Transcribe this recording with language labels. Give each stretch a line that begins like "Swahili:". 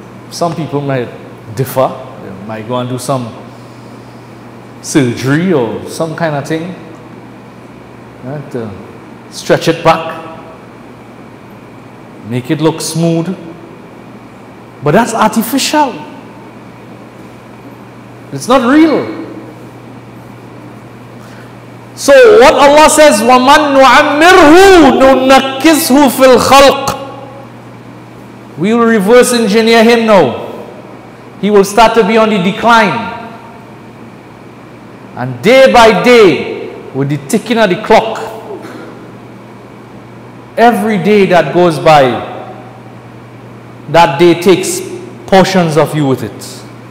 English: Some people might differ. They might go and do some surgery or some kind of thing, right, to stretch it back, make it look smooth. But that's artificial. It's not real. So what Allah says,
Arabic: وَمَنْ نُعَمِّرْهُ نُنَكِّسْهُ فِي الْخَلْقِ.
English: We will reverse engineer him, no. He will start to be on the decline. And day by day, with the ticking of the clock, every day that goes by, that day takes portions of you with it.